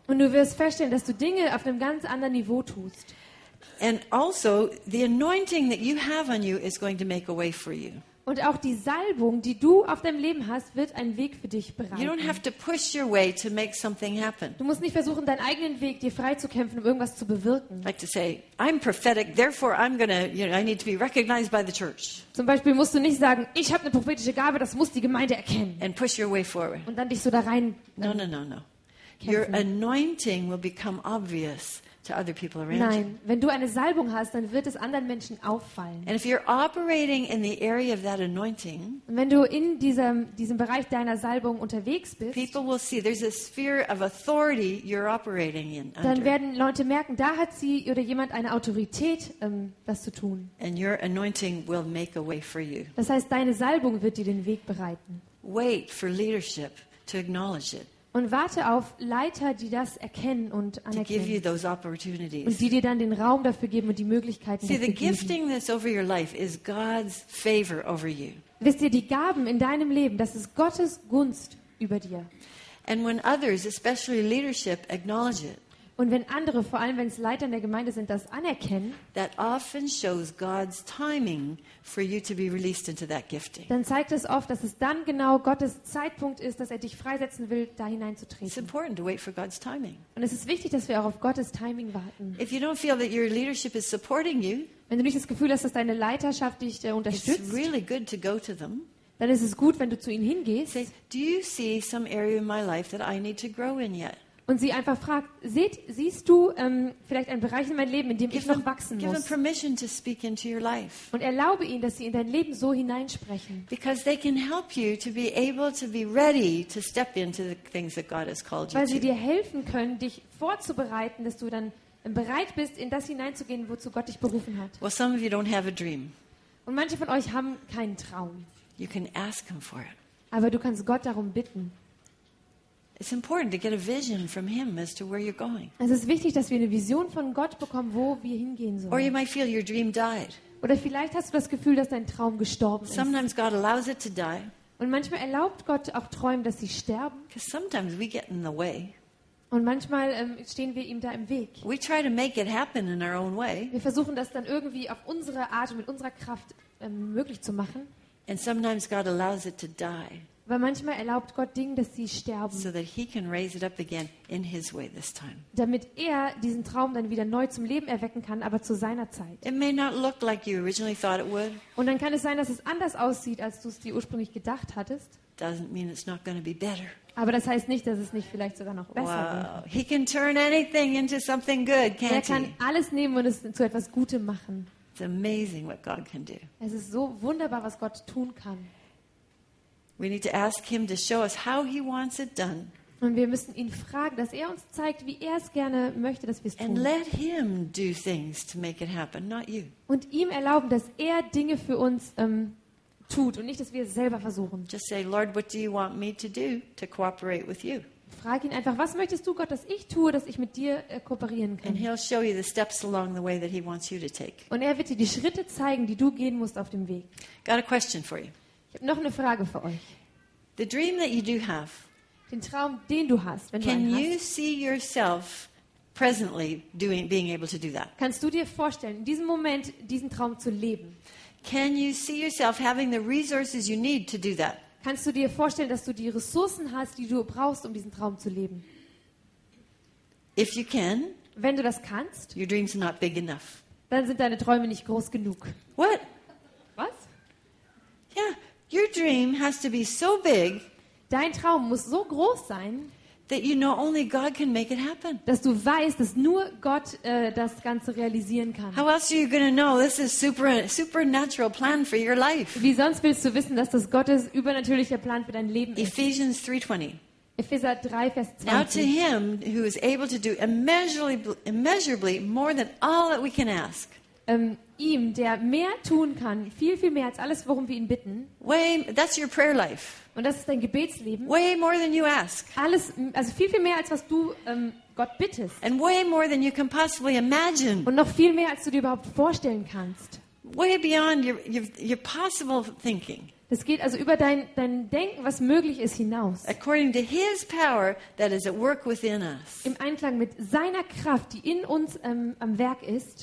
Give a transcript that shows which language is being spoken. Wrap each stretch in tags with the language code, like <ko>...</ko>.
<de>Und du wirst feststellen, dass du Dinge auf einem ganz anderen Niveau tust.</de> <en>And also, the anointing that you have on you is going to make a way for you.</en> <de>Und auch die Salbung, die du auf deinem Leben hast, wird einen Weg für dich bereiten.</de> <en>You don't have to push your way to make something happen.</en> <de>Du musst nicht versuchen, deinen eigenen Weg dir freizukämpfen, um irgendwas zu bewirken.</de> <en>Like to say, I'm prophetic, therefore I'm gonna, you know, I need to be recognized by the church.</en> <de>Zum Beispiel musst du nicht sagen, ich habe eine prophetische Gabe, das muss die Gemeinde erkennen.</de> <en>And push your way forward.</en> <de>Und dann dich so da rein.</de> <en>No. Your anointing will become obvious to other people around.</en> <de>Nein, wenn du eine Salbung hast, dann wird es anderen Menschen auffallen.</de> <en>And if you're operating in the area of that anointing,</en> <de>wenn du in diesem Bereich deiner Salbung unterwegs bist,</de> <en>people will see there's a sphere of authority you're operating in.</en> <de>Dann werden Leute merken, da hat sie oder jemand eine Autorität, das zu tun.</de> <en>And your anointing will make a way for you.</en> <de>Das heißt, deine Salbung wird dir den Weg bereiten.</de> <en>Wait for leadership to acknowledge it.</en> <de>Und warte auf Leiter, die das erkennen und anerkennen.</de> <en>To give you those opportunities.</en> <de>Und die dir dann den Raum dafür geben und die Möglichkeiten dafür geben.</de> <en>See, the gifting that's over your life is God's favor over you.</en> <de>Wisst ihr, die Gaben in deinem Leben, das ist Gottes Gunst über dir.</de> <en>And when others, especially leadership, acknowledge it.</en> <de>Und wenn andere, vor allem wenn es Leiter in der Gemeinde sind, das anerkennen,</de> <en>that often shows God's timing for you to be released into that gifting.</en> <de>Dann zeigt es oft, dass es dann genau Gottes Zeitpunkt ist, dass er dich freisetzen will, da hineinzutreten.</de> <en>It's important to wait for God's timing.</en> <de>Und es ist wichtig, dass wir auch auf Gottes Timing warten.</de> <en>If you don't feel that your leadership is supporting you,</en> <de>wenn du nicht das Gefühl hast, dass deine Leiterschaft dich unterstützt,</de> <en>it's really good to go to them.</en> <de>Dann ist es gut, wenn du zu ihnen hingehst.</de> <en>Say, do you see some area in my life that I need to grow in yet?</en> <de>Und sie einfach fragt, siehst du vielleicht einen Bereich in meinem Leben, in dem ich noch wachsen muss?</de> <en>Give them permission to speak into your life.</en> <de>Und erlaube ihnen, dass sie in dein Leben so hineinsprechen.</de> <en>Because they can help you to be able to be ready to step into the things that God has called you to.</en> <de>Weil sie dir helfen können, dich vorzubereiten, dass du dann bereit bist, in das hineinzugehen, wozu Gott dich berufen hat.</de> <en>Well, some of you don't have a dream.</en> <de>Und manche von euch haben keinen Traum.</de> <en>You can ask him for it.</en> <de>Aber du kannst Gott darum bitten.</de> <en>It's important to get a vision from him as to where you're going.</en> <de>Es ist wichtig, dass wir eine Vision von Gott bekommen, wo wir hingehen sollen.</de> <en>Or you might feel your dream died.</en> <de>Oder vielleicht hast du das Gefühl, dass dein Traum gestorben ist.</de> <en>Sometimes God allows it to die.</en> <de>Und manchmal erlaubt Gott auch Träumen, dass sie sterben.</de> <en>Because sometimes we get in the way.</en> <de>Und manchmal stehen wir ihm da im Weg.</de> <en>We try to make it happen in our own way.</en> <de>Wir versuchen das dann irgendwie auf unsere Art und mit unserer Kraft möglich zu machen.</de> <en>And sometimes God allows it to die.</en> <de>Weil manchmal erlaubt Gott Dinge, dass sie sterben.</de> <en>So that he can raise it up again in his way this time.</en> <de>Damit er diesen Traum dann wieder neu zum Leben erwecken kann, aber zu seiner Zeit.</de> <en>It may not look like you originally thought it would.</en> <de>Und dann kann es sein, dass es anders aussieht, als du es dir ursprünglich gedacht hattest.</de> <en>Doesn't mean it's not going to be better.</en> <de>Aber das heißt nicht, dass es nicht vielleicht sogar noch besser wird.</de> <en>He can turn anything into something good, can't he?</en> <de>Er kann alles nehmen und es zu etwas Gutem machen.</de> <en>It's amazing what God can do.</en> <de>Es ist so wunderbar, was Gott tun kann.</de> <en>We need to ask him to show us how he wants it done.</en> <de>Und wir müssen ihn fragen, dass er uns zeigt, wie er es gerne möchte, dass wir es tun.</de> <en>And let him do things to make it happen, not you.</en> <de>Und ihm erlauben, dass er Dinge für uns tut und nicht, dass wir es selber versuchen.</de> <en>Just say, Lord, what do you want me to do to cooperate with you?</en> <de>Frag ihn einfach, was möchtest du, Gott, dass ich tue, dass ich mit dir kooperieren kann?</de> <en>And he'll show you the steps along the way that he wants you to take.</en> <de>Und er wird dir die Schritte zeigen, die du gehen musst auf dem Weg.</de> <en>Got a question for you.</en> <de>Ich habe noch eine Frage für euch.</de> <en>The dream that you do have,</en> <de>den Traum, den du hast, wenn du einen hast,</de> <en>can you see yourself presently doing, being able to do that?</en> <de>Kannst du dir vorstellen, in diesem Moment diesen Traum zu leben?</de> <en>Can you see yourself having the resources you need to do that?</en> <de>Kannst du dir vorstellen, dass du die Ressourcen hast, die du brauchst, um diesen Traum zu leben?</de> <en>If you can,</en> <de>wenn du das kannst,</de> <en>your dream's not big enough.</en> <de>Dann sind deine Träume nicht groß genug.</de> <en>What?</en> <de>Was?</de> <en>Yeah, your dream has to be so big.</en> <de>Dein Traum muss so groß sein,</de> <en>that you know only God can make it happen.</en> <de>Dass du weißt, dass nur Gott das Ganze realisieren kann.</de> <en>How else are you going to know this is supernatural plan for your life?</en> <de>Wie sonst willst du wissen, dass das Gottes übernatürlicher Plan für dein Leben ist?</de> <en>Ephesians 3:20.</en> <de>Epheser 3, Vers 20.</de> <en>Now to him who is able to do immeasurably more than all that we can ask.</en> <de>Ihm, der mehr tun kann, viel, viel mehr als alles, worum wir ihn bitten.</de> <en>Way, that's your prayer life.</en> <de>Und das ist dein Gebetsleben.</de> <en>Way more than you ask.</en> <de>Alles, also viel, viel mehr als was du Gott bittest.</de> <en>And way more than you can possibly imagine.</en> <de>Und noch viel mehr als du dir überhaupt vorstellen kannst.</de> <en>Way beyond your possible thinking.</en> <de>Das geht also über dein Denken, was möglich ist, hinaus.</de> <en>According to his power that is at work within us.</en> <de>Im Einklang mit seiner Kraft, die in uns am Werk ist.</de>